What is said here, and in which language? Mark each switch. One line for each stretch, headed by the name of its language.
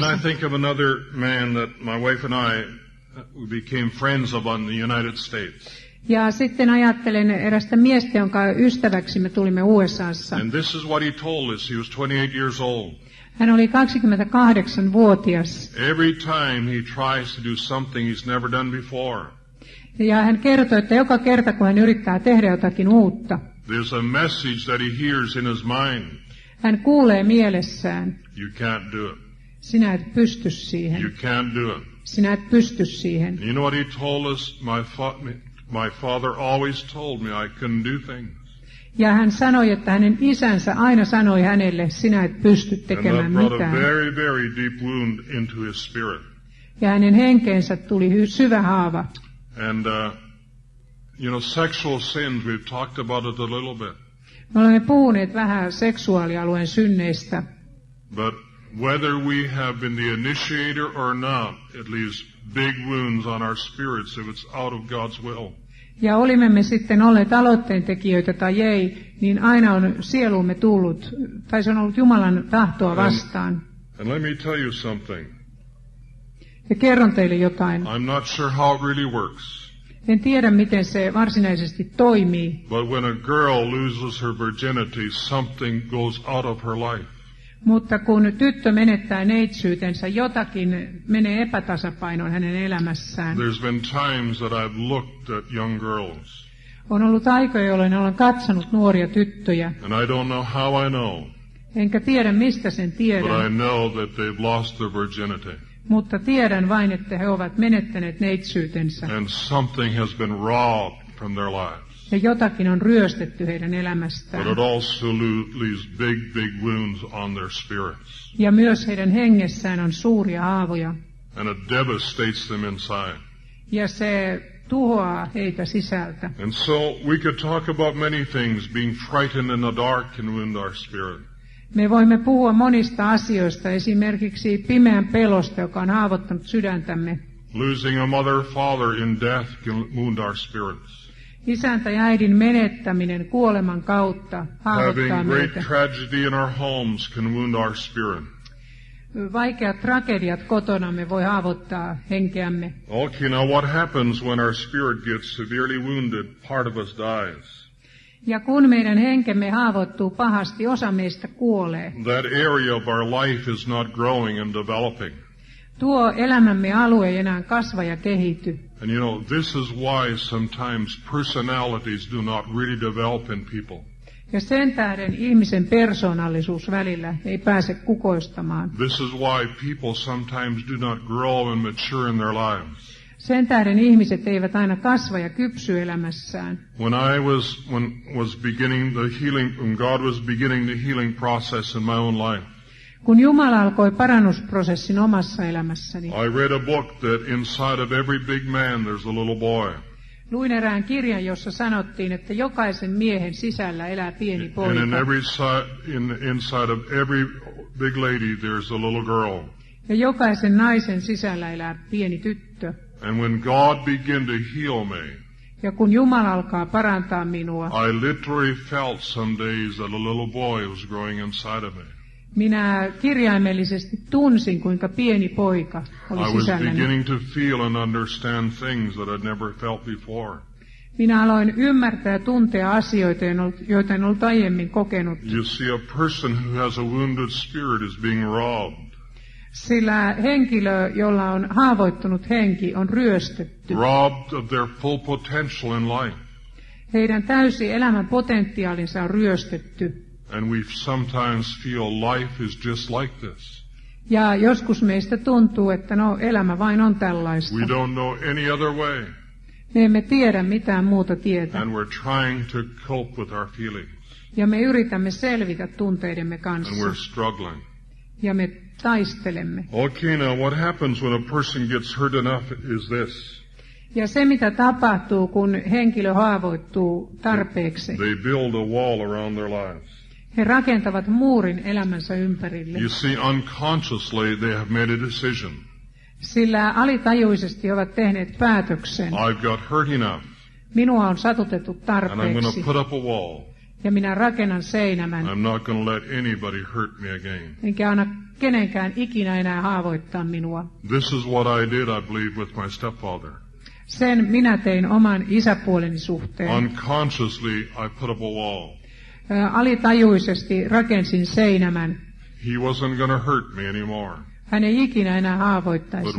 English: Then I think of another man that my wife and I became friends of in the United States.
Finnish: Ja sitten ajattelen erästä miestä, jonka ystäväksi me tulimme USA:ssa.
English: And this is what he told us. He was 28 years old.
Finnish: Hän oli 28-vuotias.
English: Every time he tries to do something he's never done before.
Finnish: Ja hän kertoi, että joka kerta, kun hän yrittää tehdä jotakin uutta,
English: there's a message that he hears in his mind.
Finnish: Hän kuulee mielessään.
English: You can't do it.
Finnish: Sinä et pysty siihen.
English: You can't do it.
Finnish: Sinä et pysty siihen.
English: You know what he told us? My father always told me I couldn't do things.
Finnish: Ja hän sanoi, että hänen isänsä aina sanoi hänelle, sinä et pysty tekemään
English: and that brought
Finnish: mitään.
English: A very, very deep wound into his spirit.
Finnish: Ja hänen henkeensä tuli syvä haava.
English: And you know, sexual sins, we've talked about it a little bit.
Finnish: Me olemme puhuneet vähän seksuaalialueen synneistä.
English: But whether we have been the initiator or not, it leaves big wounds on our spirits if it's out of God's will.
Finnish: Ja olimme me sitten olleet aloitteentekijöitä tai ei, niin aina on sieluumme tullut, tai se on ollut Jumalan tahtoa vastaan.
English: And let me tell you something.
Finnish: Ja kerron teille jotain.
English: I'm not sure how it really works.
Finnish: En tiedä, miten se varsinaisesti toimii.
English: But when a girl loses her virginity, something goes out of her life.
Finnish: Mutta kun tyttö menettää neitsyytensä, jotakin menee epätasapainoon hänen elämässään.
English: There's been times that I've looked at young girls.
Finnish: On ollut aikoja, jolloin olen katsonut nuoria tyttöjä.
English: And I don't know how I know.
Finnish: Enkä tiedä, mistä sen tiedän.
English: But I know that they've lost their virginity.
Finnish: Mutta tiedän vain, että he ovat menettäneet neitsyytensä.
English: And something has been robbed from their lives.
Finnish: Ja jotakin on ryöstetty heidän elämästään.
English: But it also leaves big, big wounds on their spirits.
Finnish: Ja myös heidän hengessään on suuria haavoja.
English: And it devastates them inside.
Finnish: Ja se tuhoaa heitä sisältä.
English: And so we could talk about many things, being frightened in the dark can wound our spirit.
Finnish: Me voimme puhua monista asioista, esimerkiksi pimeän pelosta, joka on haavoittanut sydäntämme.
English: Losing a mother or father in death can wound our spirits.
Finnish: Isän tai äidin menettäminen kuoleman kautta haavoittaa meitä.
English: Great tragedy in our homes can wound our spirit.
Finnish: Vaikeat tragediat kotonamme voi haavoittaa henkeämme.
English: Okay, now what happens when our spirit gets severely wounded? Part of us dies.
Finnish: Ja kun meidän henkemme haavoittuu pahasti, osa meistä kuolee.
English: That area of our life is not growing and developing.
Finnish: Tuo elämämme alue ei enää kasva ja kehity.
English: And you know, this is why sometimes personalities do not really develop in people.
Finnish: Ja sen tähden ihmisen persoonallisuus välillä ei pääse kukoistamaan.
English: This is why people sometimes do not grow and mature in their lives.
Finnish: Sen tähden ihmiset eivät aina kasva ja kypsy elämässään.
English: When God was beginning the healing process in my own life.
Finnish: Kun Jumala alkoi parannusprosessin omassa elämässäni.
English: I read a book that inside of every big man there's a little boy.
Finnish: Luin erään kirjan, jossa sanottiin, että jokaisen miehen sisällä elää pieni poika.
English: And in every inside of every big lady there's a little girl.
Finnish: Ja jokaisen naisen sisällä elää pieni tyttö.
English: And when God began to heal me.
Finnish: Ja kun Jumala alkaa parantaa minua.
English: I literally felt some days that a little boy was growing inside of me.
Finnish: Minä kirjaimellisesti tunsin, kuinka pieni poika oli sisälläni.
English: I was beginning to feel and understand things that I'd never felt before.
Finnish: Minä aloin ymmärtää ja tuntea asioita, joita en ollut aiemmin kokenut.
English: You see, a person who has a wounded spirit is being robbed.
Finnish: Sillä henkilö, jolla on haavoittunut henki, on ryöstetty.
English: Robbed of their full potential in life.
Finnish: Heidän täysi elämän potentiaalinsa on ryöstetty.
English: And we sometimes feel life is just like this.
Finnish: Ja joskus meistä tuntuu, että no, elämä vain on tällaista.
English: We don't know any other way.
Finnish: Me emme tiedä mitään muuta tietä.
English: And we're trying to cope with our feelings.
Finnish: Ja me yritämme selvitä tunteidemme kanssa.
English: And we're struggling.
Finnish: Ja me taistelemme.
English: Okay, now what happens when a person gets hurt enough is this.
Finnish: Ja se mitä tapahtuu, kun henkilö haavoittuu tarpeeksi.
English: They build a wall around their lives.
Finnish: He rakentavat muurin elämänsä ympärille.
English: You see, unconsciously they have made a decision.
Finnish: Sillä alitajuisesti ovat tehneet päätöksen.
English: I've got hurt enough.
Finnish: Minua on satutettu tarpeeksi.
English: And I'm going to put up a wall.
Finnish: Ja minä rakennan seinämän.
English: I'm not going to let anybody hurt me again.
Finnish: Enkä anna kenenkään ikinä enää haavoittaa minua.
English: This is what I did, I believe, with my stepfather.
Finnish: Sen minä tein oman isäpuoleni suhteen.
English: Unconsciously I put up a wall.
Finnish: Alitajuisesti rakensin seinämän.
English: He wasn't going to hurt me anymore.
Finnish: Hän ei ikinä enää haavoittaisi